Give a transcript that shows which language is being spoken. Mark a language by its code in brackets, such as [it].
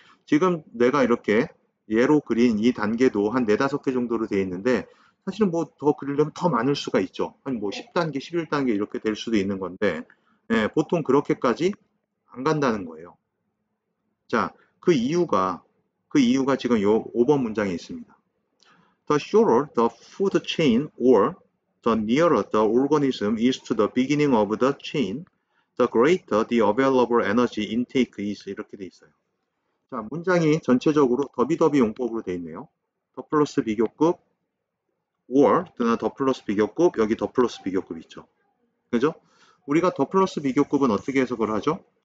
[ko] 지금 내가 이렇게 예로 그린 이 단계도 한 네다섯 개 정도로 돼 있는데, 사실은 뭐더 그리려면 더 많을 수가 있죠. 한뭐 10단계, 11단계 이렇게 될 수도 있는 건데, 예, 보통 그렇게까지 안 간다는 거예요. 자, 그 이유가 지금 요 5번 문장에 있습니다. [en] The shorter the food chain or the nearer the organism is to the beginning of the chain, the greater the available energy intake is. [ko] 이렇게 돼 있어요. 자, 문장이 전체적으로 더비더비 용법으로 돼 있네요. The plus 비교급 or 또는 the plus 비교급, 여기 the plus 비교급 있죠. 그죠? 우리가 더 플러스 비교급은 어떻게 해석을 하죠?